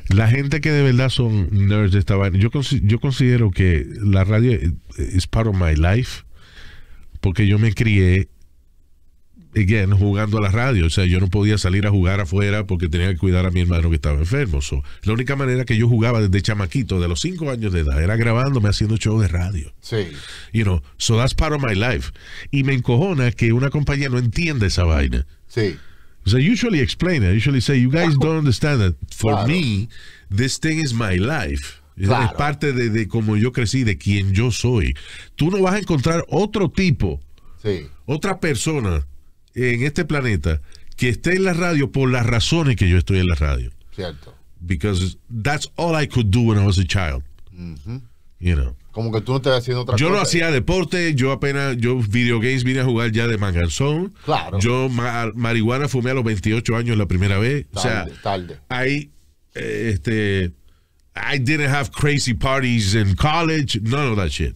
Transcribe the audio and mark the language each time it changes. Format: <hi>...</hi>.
<es>la gente que de verdad son nerds de esta vaina, yo considero que la radio es</es> <en>part of my life,</en> <es>porque yo me crié,</es> <en>again,</en> <es>jugando a la radio. O sea, yo no podía salir a jugar afuera porque tenía que cuidar a mi hermano que estaba enfermo. So, la única manera que yo jugaba desde chamaquito, de los 5 años de edad, era grabándome haciendo show de radio. Sí.</es> <en>You know, so that's part of my life.</en> <es>Y me encojona que una compañía no entienda esa vaina. Sí.</es> <en>So usually explain it. Usually say, you guys don't understand that. For me, this thing is my life.</en> <es>Claro. Es parte de cómo yo crecí, de quién yo soy. Tú no vas a encontrar otro tipo, otra persona en este planeta que esté en la radio por las razones que yo estoy en la radio. Cierto.</es> <en>Because that's all I could do when I was a child. Mm-hmm. You know.</en> <es>Como que tú no te estás haciendo otra cosa. Yo no hacía deporte, yo video games vine a jugar ya de manganzón. Claro. Yo marihuana fumé a los 28 años la primera vez. Tarde, o sea, ahí,</es> <en>I didn't have crazy parties in college, none of that shit.</en>